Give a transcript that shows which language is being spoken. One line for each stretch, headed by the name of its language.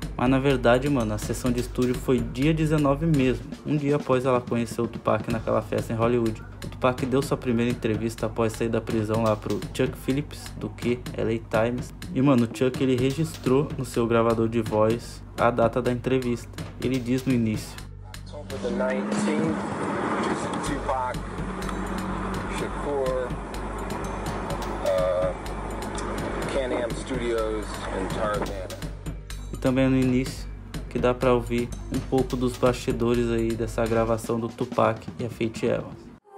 Portuguese: Mas na verdade, mano, a sessão de estúdio foi dia 19 mesmo, um dia após ela conhecer o Tupac naquela festa em Hollywood. O Tupac deu sua primeira entrevista após sair da prisão lá pro Chuck Phillips, do Q, LA Times. E mano, o Chuck, ele registrou no seu gravador de voz a data da entrevista. Ele diz no início:
English: October the 19th, Tupac Shakur, Can-Am Studios in Tarzana.
Portuguese: Também no início, que dá pra ouvir um pouco dos bastidores aí dessa gravação do Tupac e a Faith Evans.